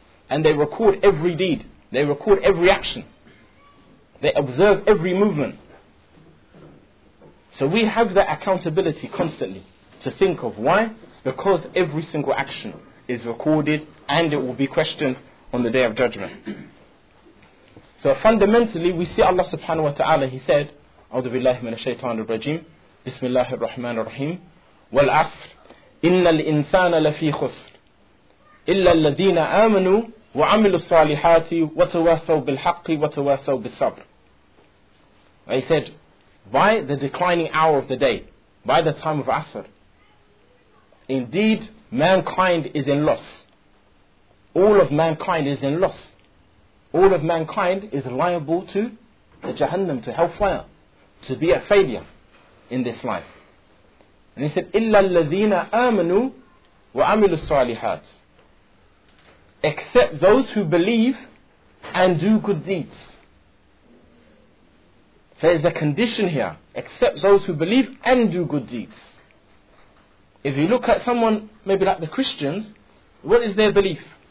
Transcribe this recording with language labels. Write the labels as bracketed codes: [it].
[en] And they record every deed. They record every action. They observe every movement. So we have that accountability constantly to think of. Why? Because every single action is recorded and it will be questioned on the Day of Judgment. So fundamentally, we see Allah subhanahu wa ta'ala, He said, [ar] أعوذ بالله من الشيطان الرجيم بسم الله الرحمن الرحيم والعصر إن الإنسان لفي خسر إلا الذين آمنوا وعملوا الصالحات وتواسوا بالحق وتواسوا بالصبر. [en] He said, by the declining hour of the day, by the time of Asr, indeed mankind is in loss. All of mankind is in loss. All of mankind is liable to the Jahannam, to hellfire, to be a failure in this life. And he said, [ar] إِلَّا الَّذِينَ آمَنُوا وَعَمِلُوا الصَّالِحَاتِ. [en] Except those who believe and do good deeds. So there's a condition here. Except those who believe and do good deeds. If you look at someone, maybe like the Christians, what is their belief?